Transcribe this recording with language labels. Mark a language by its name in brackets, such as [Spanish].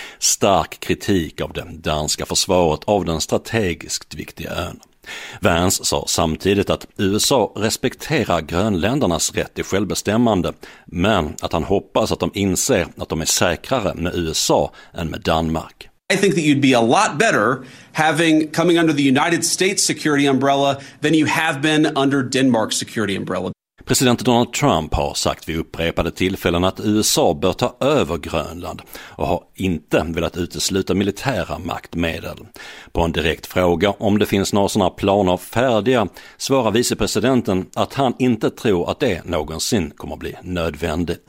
[Swedish] Stark kritik av det danska försvaret av den strategiskt viktiga ön. Vance sa samtidigt att USA respekterar grönländernas rätt till självbestämmande, men att han hoppas att de inser att de är säkrare med USA än med Danmark. [English] I think that you'd be a lot better coming under the United States security umbrella than you have been under Denmark's security umbrella. [Swedish] President Donald Trump har sagt vid upprepade tillfällen att USA bör ta över Grönland och har inte velat utesluta militära maktmedel. På en direkt fråga om det finns några sådana planer färdiga svarar vicepresidenten att han inte tror att det någonsin kommer bli nödvändigt.